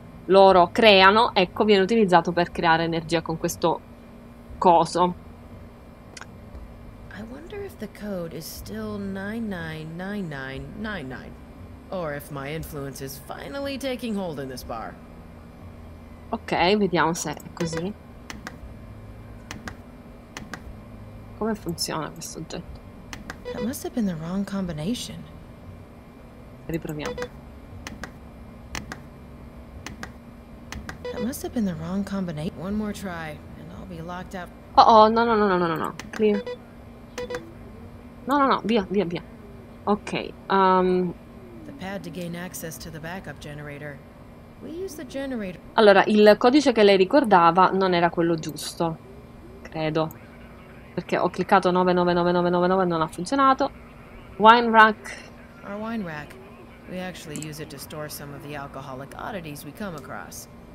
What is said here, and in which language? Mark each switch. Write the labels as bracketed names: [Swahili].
[Italian] loro creano, ecco, viene utilizzato per creare energia con questo coso. [English] I wonder if the code is still 999999 or if my influence is finally taking hold in this bar. [Italian] Ok, vediamo se è così. Come funziona questo oggetto? [English] That must have been the wrong combination. [Italian] Riproviamo. [English] That must have been the wrong combination. One more try and I'll be locked out. Oh oh, no no no no no no no. Clear. No no no, via, via, via. Ok. The pad to gain access to the backup generator. We use the generator. [Italian] Allora, il codice che lei ricordava non era quello giusto, credo. Perché ho cliccato 99999 e non ha funzionato. Wine rack. [English] Our wine rack. We actually use it to store some of the alcoholic oddities we come across.